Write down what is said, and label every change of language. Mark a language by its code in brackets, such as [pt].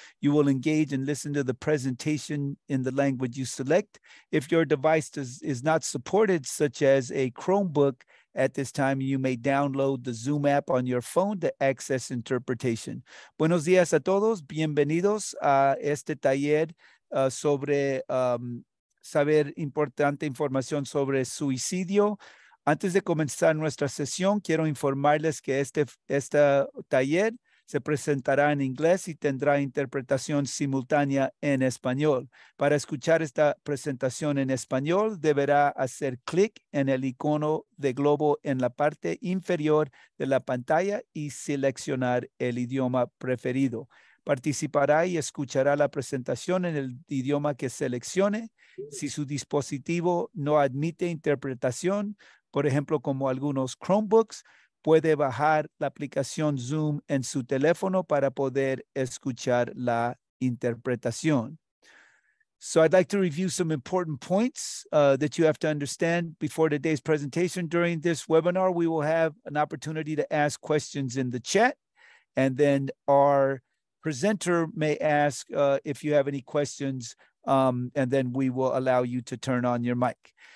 [en] You will engage and listen to the presentation in the language you select. If your device is not supported, such as a Chromebook, at this time, you may download the Zoom app on your phone to access interpretation. [es] Buenos días a todos. Bienvenidos a este taller sobre saber importante información sobre suicidio. Antes de comenzar nuestra sesión, quiero informarles que este taller se presentará en inglés y tendrá interpretación simultánea en español. Para escuchar esta presentación en español, deberá hacer clic en el icono de globo en la parte inferior de la pantalla y seleccionar el idioma preferido. Participará y escuchará la presentación en el idioma que seleccione. Si su dispositivo no admite interpretación, por ejemplo, como algunos Chromebooks, puede bajar la aplicación Zoom en su teléfono para poder escuchar la interpretación. [en] So I'd like to review some important points that you have to understand before today's presentation. During this webinar, we will have an opportunity to ask questions in the chat, and then our presenter may ask if you have any questions, and then we will allow you to turn on your mic.